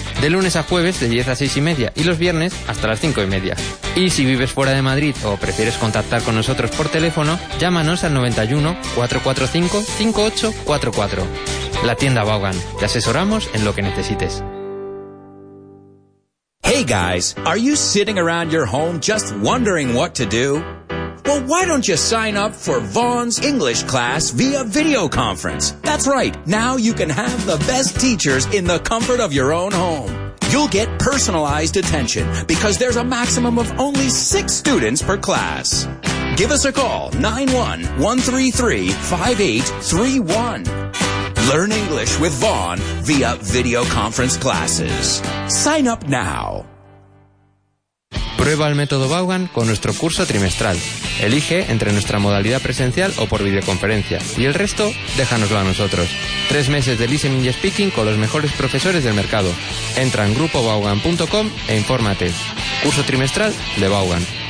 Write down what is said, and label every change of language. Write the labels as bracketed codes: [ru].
[es] De lunes a jueves de 10 a 6 y media y los viernes hasta las 5 y media. Y si vives fuera de Madrid o prefieres contactar con nosotros por teléfono, llámanos al 91-445-5844. La tienda Vaughan. Te asesoramos en lo que necesites. [en] Hey guys, are you sitting around your home just wondering what to do? Well, why don't you sign up for Vaughn's English class via video conference? That's right. Now you can have the best teachers in the comfort of your own home. You'll get personalized attention because there's a maximum of only 6 students per class. Give us a call, 91-133-5831. Learn English with Vaughn via video conference classes. Sign up now. [es] Prueba el método Vaughan con nuestro curso trimestral. Elige entre nuestra modalidad presencial o por videoconferencia. Y el resto, déjanoslo a nosotros. 3 meses de listening y speaking con los mejores profesores del mercado. Entra en grupovaughan.com e infórmate. Curso trimestral de Vaughan.